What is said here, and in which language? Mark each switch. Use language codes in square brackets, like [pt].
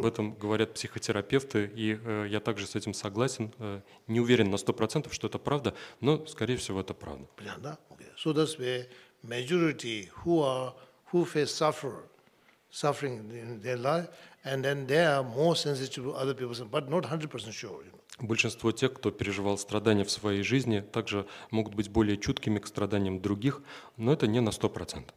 [ru] Об этом говорят психотерапевты, и я также с этим согласен. Не уверен на 100%, что это правда, но, скорее всего, это правда. Понятно, да? Okay. [en] So that's where majority who face suffering in their life, and then they are more sensitive to other people's, but not 100% sure, you know. [ru] Большинство тех, кто переживал страдания в своей жизни, также могут быть более чуткими к страданиям других, но это не на 100%.